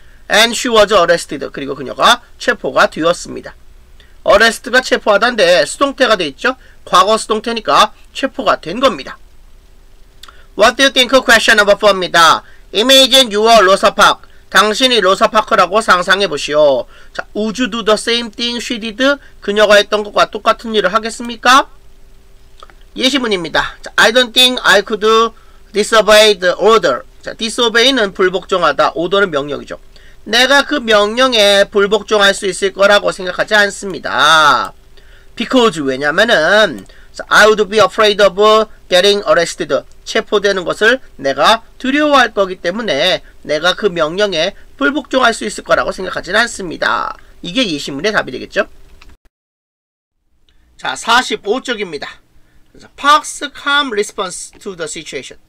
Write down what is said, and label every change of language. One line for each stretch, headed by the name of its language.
English: And she was arrested,
Korean: 그리고 그녀가 체포가 되었습니다. Arrest가 체포하다인데 수동태가 되어있죠. 과거 수동태니까 체포가 된 겁니다.
English: What do you think? Question number 4입니다. Imagine you are Rosa Parks.
Korean: 당신이 로사파크라고 상상해보시오.
English: 자, would you do the same thing she did?
Korean: 그녀가 했던 것과 똑같은 일을 하겠습니까? 예시문입니다.
English: 자, I don't think I could disobey the order.
Korean: 자, disobey는 불복종하다. order는 명령이죠. 내가 그 명령에 불복종할 수 있을 거라고 생각하지 않습니다.
English: Because, 왜냐면은 I would be afraid of getting arrested.
Korean: 체포되는 것을 내가 두려워할 거기 때문에 내가 그 명령에 불복종할 수 있을 거라고 생각하진 않습니다. 이게 예시문의 답이 되겠죠?
English: 자,
Korean: 45쪽입니다.
English: Park's calm response to the situation.